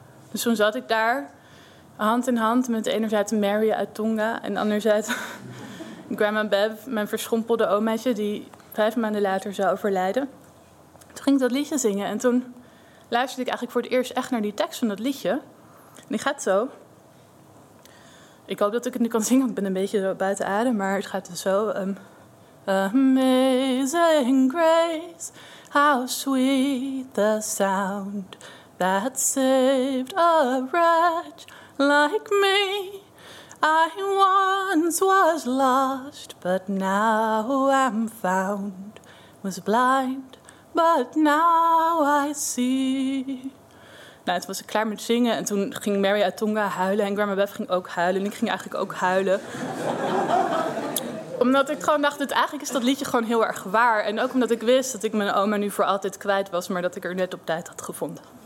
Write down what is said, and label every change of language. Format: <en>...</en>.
<nl>Dus toen zat ik daar, hand in hand met enerzijds Mary uit Tonga en anderzijds grandma Bev, mijn verschrompelde omaatje die 5 maanden later zou overlijden. Toen ging ik dat liedje zingen en toen luisterde ik eigenlijk voor het eerst echt naar die tekst van dat liedje. En die gaat zo. Ik hoop dat ik het nu kan zingen, want ik ben een beetje buiten adem, maar het gaat dus zo.</nl> <en>Amazing grace, how sweet the sound that saved a wretch like me. I once was lost, but now am found, was blind. But now I see.</en> <nl>Nou, toen was ik klaar met zingen. En toen ging Mary uit Tonga huilen. En Grandma Beth ging ook huilen. En ik ging eigenlijk ook huilen. Omdat ik gewoon dacht, dat eigenlijk is dat liedje gewoon heel erg waar. En ook omdat ik wist dat ik mijn oma nu voor altijd kwijt was. Maar dat ik er net op tijd had gevonden.</nl>